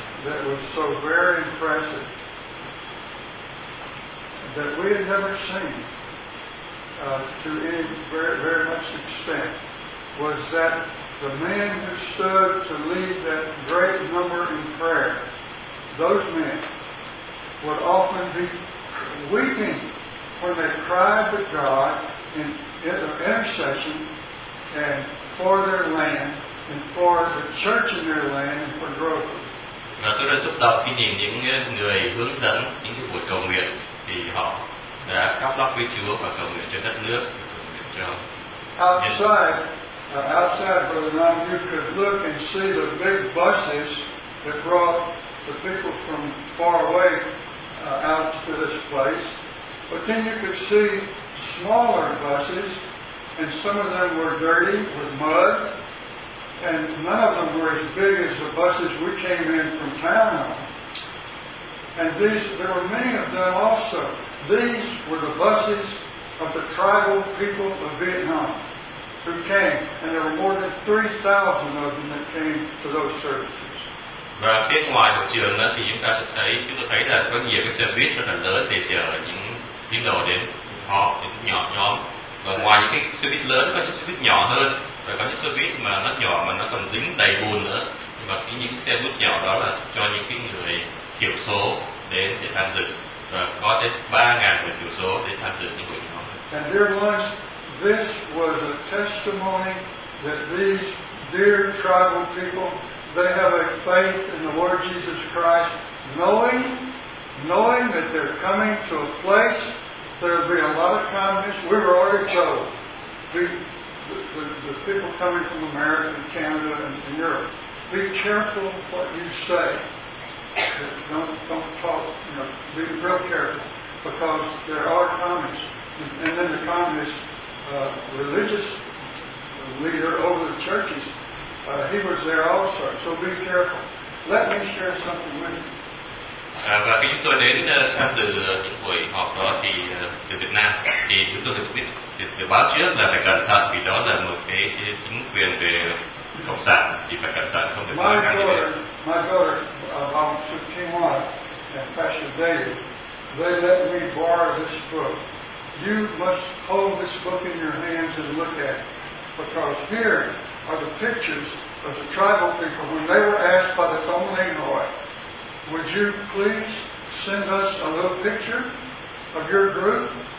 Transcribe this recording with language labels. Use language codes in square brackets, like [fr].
[en] that was so very impressive that we had never seen to any very, very much extent was that the men who stood to lead that great number in prayer, those men would often be weeping when they cried to God in their intercession and for their land and for the church in their land and for growth. [vi] Và tôi đã xúc động khi nhìn những người hướng dẫn những cái buổi cầu nguyện thì họ đã khóc lóc với Chúa và cầu nguyện cho đất nước, cầu nguyện cho [en] outside for the non, you could look and see the big buses that brought the people from far away out to this place. But then you could see smaller buses, and some of them were dirty with mud, and none of them were as big as the buses we came in from town on. And these, there were many of them also. These were the buses of the tribal people of Vietnam who came, and there were more than 3,000 of them that came to those services. [vi] Và phía ngoài hội trường thì chúng ta thấy là có nhiều cái xe buýt rất là lớn để chờ những tín đồ đến họ, những nhóm. Và ngoài những cái xe buýt lớn có những xe buýt nhỏ hơn, và có những xe buýt mà nó nhỏ mà nó còn dính đầy bùn nữa. Nhưng mà những xe buýt nhỏ đó là cho những cái người thiểu số đến để tham dự, và có tới 3,000 người thiểu số để tham dự những buổi nhóm. [en] And dear ones, this was a testimony that these dear tribal people, they have a faith in the Lord Jesus Christ, knowing that they're coming to a place there will be a lot of kindness. We were already told, the people coming from America and Canada and Europe, be careful what you say. Don't talk, be real careful, because there are communists. And then the communist religious leader over the churches, he was there also, so be careful. Let me share something with you. [vi] Và khi chúng tôi đến tham dự những buổi họp đó thì từ Việt Nam, thì chúng tôi được biết từ báo trước là phải cẩn thận, vì đó là một cái chính quyền về cộng sản, thì phải cẩn thận, không được nói ngang như vậy. [en] My daughter, Kim Hoa and Pastor David, they let me borrow this book. You must hold this book in your hands and look at it, because here are the pictures of the tribal people when they were asked by the Tong Ling Hoi, would you please send us a little picture of your group?